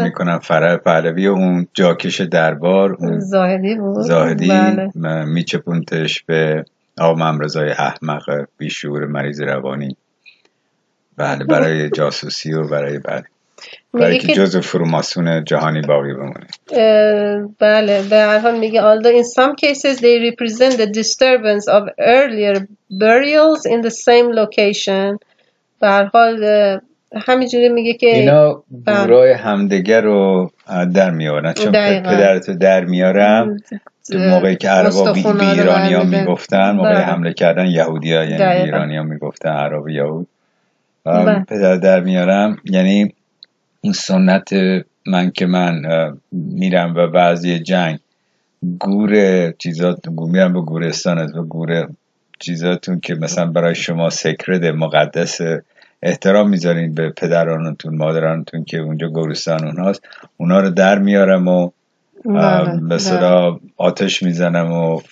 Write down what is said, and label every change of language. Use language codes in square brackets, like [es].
[fa] میکنن فرح پهلوی و اون جاکش دربار اون زاهدی بود. زاهدی بله میچپونتش به آقا ممرضای احمق بیشعور مریض روانی بله برای جاسوسی و برای بله برای میگه که جزء فروماسون جهانی باقی بمونه. بله به هر حال میگه [en] although in some cases they represent the disturbance of earlier burials in the same location. [fa] به هر حال همینجوری میگه اینا که گورای همدیگر رو در میارن چون دقیقا پدرتو در میارم تو موقعی که عربا به ایرانی ها میگفتن موقعی بله. حمله کردن یهودی ها یعنی به دقیقا ایرانی ها میگفتن عربا یهود پدر در میارم یعنی این سنت من که من میرم و بعضی جنگ گور چیزات میرم به گورستانت و گور چیزاتون که مثلا برای شما سکرده مقدس احترام میذارین به پدرانتون مادرانتون که اونجا گورستان اونهاست اونا رو در میارم و به صدا آتش میزنم و